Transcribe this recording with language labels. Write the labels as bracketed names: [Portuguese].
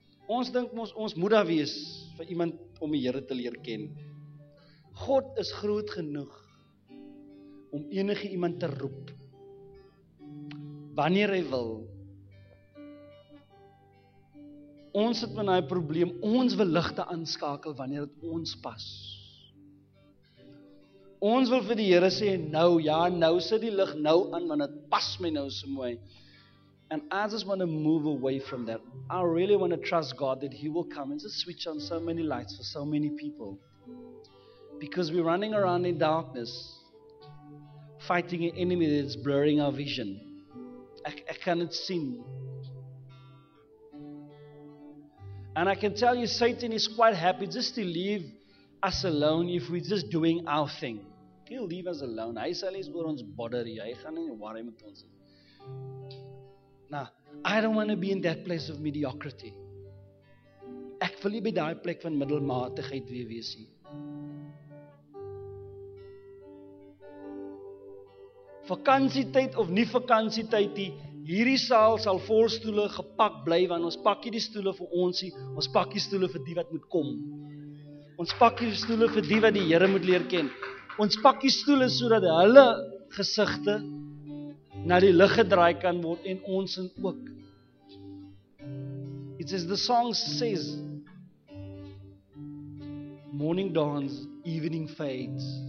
[Afrikaans] Ons dink ons moet daar wees vir iemand om die Here te leer ken. God is groot genoeg om enige iemand te roep wanneer hy wil. Ons het met daai probleem, ons wil ligte aanskakel wanneer dit ons pas. Ons wil vir die Here sê nou, ja, nou sit die lig nou aan want dit pas my nou so mooi. [English] And I just want to move away from that. I really want to trust God that he will come and just switch on so many lights for so many people. Because we're running around in darkness, fighting an enemy that's blurring our vision. I cannot see. And I can tell you, Satan is quite happy just to leave us alone if we're just doing our thing. He'll leave us alone. [Afrikaans] Hy sal nie oor ons bother nie. Hy gaan nie worry met ons. [English] Nou, I don't want to be in that place of mediocrity. [Afrikaans] Ek wil nie by daai plek van middelmatigheid weer wees nie. Vakansietyd of nie vakansietyd nie, hierdie saal sal vol stoele gepak bly, want ons pak nie die stoele vir ons nie, ons pak die stoele vir die wat moet kom. Ons pak die stoele vir die wat die Here moet leer ken. Ons pak die stoele sodat hulle gesigte na die lig gedraai kan word en ons in ook. [English] It's as the song says, morning dawns, evening fades.